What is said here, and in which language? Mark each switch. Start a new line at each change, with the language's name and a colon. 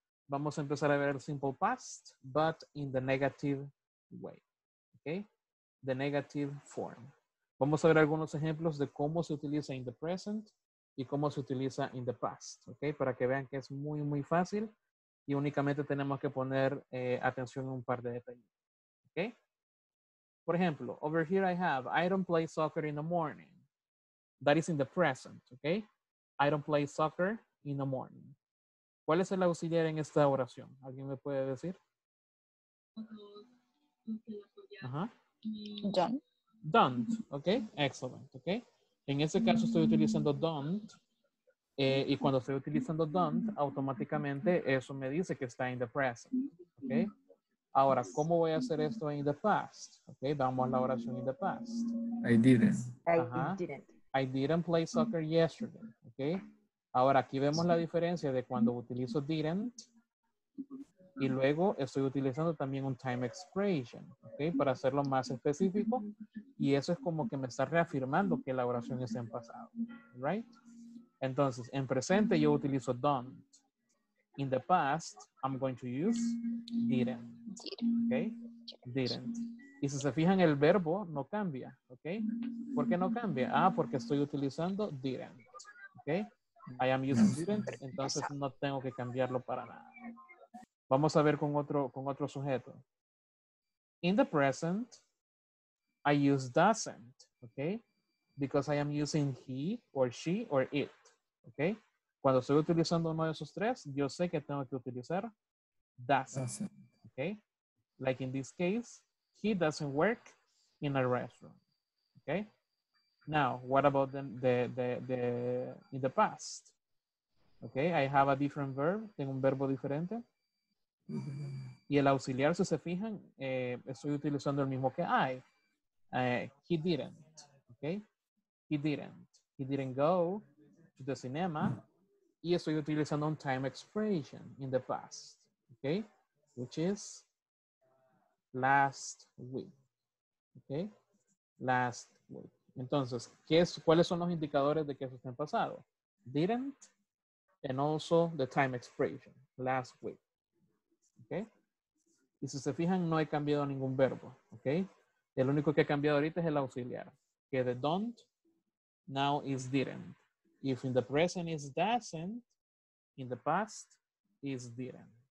Spanish: Vamos a empezar a ver el
English: simple past, but in the negative way, ¿ok? The negative form.
Spanish: Vamos a ver algunos ejemplos de cómo se utiliza
English: in the present
Spanish: y cómo se utiliza
English: in the past,
Spanish: ¿ok? Para que vean que es muy, muy fácil y únicamente tenemos que poner atención en un par de detalles, ¿ok? Por ejemplo,
English: over here I have, I don't play soccer in the morning. That is in the present, ¿ok? I don't play soccer in the morning.
Spanish: ¿Cuál es el auxiliar en esta oración? ¿Alguien me puede decir?
English: Don't. Okay, excellent. Okay.
Spanish: En ese caso estoy utilizando don't. Y cuando estoy utilizando don't, automáticamente eso me dice que está
English: in the present.
Spanish: Okay. Ahora, ¿cómo voy a hacer esto
English: in the past?
Spanish: Okay, vamos a la oración in the past.
English: I didn't. I didn't play soccer yesterday. Okay.
Spanish: Ahora, aquí vemos la diferencia de cuando utilizo didn't y luego estoy utilizando también un time expression, okay, para hacerlo más específico. Y eso es como que me está reafirmando que la oración es en pasado, right? Entonces, en presente yo utilizo don't.
English: In the past, I'm going to use didn't.
Spanish: Okay? Didn't. Y si se fijan, el verbo no cambia, okay? ¿Por qué no cambia? Ah, porque estoy utilizando didn't, okay?
English: I am using didn't,
Spanish: entonces no tengo que cambiarlo para nada. Vamos a ver con otro sujeto.
English: In the present, I use doesn't, okay? Because I am using he or she or it, okay?
Spanish: Cuando estoy utilizando uno de esos tres, yo sé que tengo que utilizar doesn't, okay?
English: Like in this case, he doesn't work in a restaurant, okay? Now, what about the in the past? Okay, I have a different verb.
Spanish: Tengo un verbo diferente. Y el auxiliar, si se fijan, estoy utilizando el mismo que I.
English: He didn't. Okay, he didn't. He didn't go to the cinema.
Spanish: Y estoy utilizando un time expression
English: in the past. Okay, which is last week. Okay, last week.
Spanish: Entonces, ¿cuáles son los indicadores de que eso está en pasado?
English: Didn't, and also the time expression, last week. Okay?
Spanish: Y si se fijan, no he cambiado ningún verbo. Okay? El único que ha cambiado ahorita es el auxiliar. Que de
English: don't, now is didn't. If in the present is doesn't, in the past is didn't.